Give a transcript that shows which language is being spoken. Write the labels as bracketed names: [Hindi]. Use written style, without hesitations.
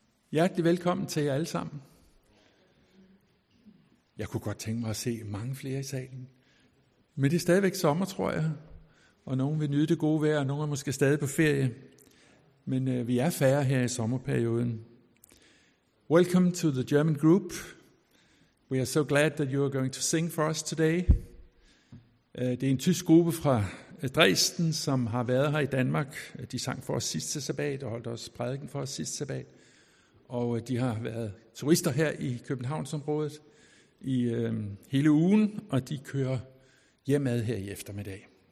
[Danish] Hjertelig velkommen til jer alle sammen. Jeg kunne godt tænke mig at se mange flere i salen. Men det er stadigvæk sommer, tror jeg, og nogen vil nyde det gode vejr, og nogen er måske stadig på ferie. Men vi er færre her i sommerperioden. [English] Welcome to the German group. We are so glad that you are going to sing for us today. [Danish] Det er en tysk gruppe fra Dresden, som har været her i Danmark. De sang for os sidste sabbat og holdt også prædiken for os sidste sabbat. Og de har været turister her i Københavnsområdet i hele ugen, og de kører hjemad her i eftermiddag.